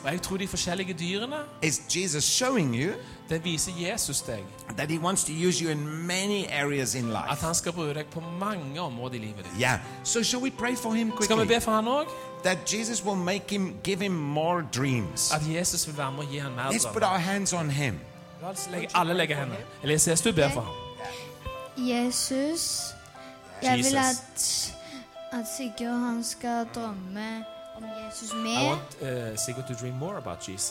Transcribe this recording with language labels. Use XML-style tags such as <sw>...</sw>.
<no>Og jeg tror de forskjellige dyrene.</no> <en>Is Jesus showing you?</en> <no>Det viser Jesus deg.</no> <en>That he wants to use you in many areas in life.</en> <no>At han skal bruke deg på mange områder I livet.</no> <en>Yeah. So shall we pray for him quickly?</en> <no>Skal vi be for han også?</no> <en>That Jesus will make him give him more dreams.</en> <no>At Jesus vil være med og gi han mer.</no> <en>Let's put our hands on him.</en> <no>La oss legge hendene. Eliseus, du ber for ham. Jesus. Jeg vil at Sigurd han skal drømme om Jesus mer.</no> <en>I want Sigurd to dream more about Jesus.</en>